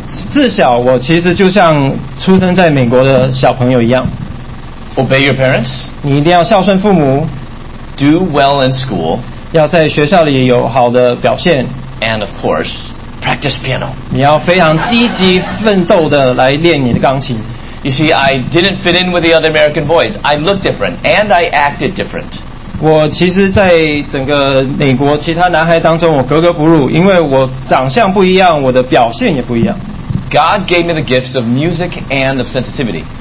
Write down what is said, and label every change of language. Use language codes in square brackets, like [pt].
[zh] 自小我其实就像出生在美国的小朋友一样。 [en] Obey your parents. [zh] 你一定要孝顺父母。 [en] Do well in school. [zh] 要在学校里有好的表现。 [en] And of course, practice piano. [zh] 你要非常积极奋斗的来练你的钢琴。 [en] You see, I didn't fit in with the other American boys. I looked different, and I acted different. [zh] 我其实在整个美国其他男孩当中，我格格不入，因为我长相不一样，我的表现也不一样。 [en] God gave me the gifts of music and of sensitivity.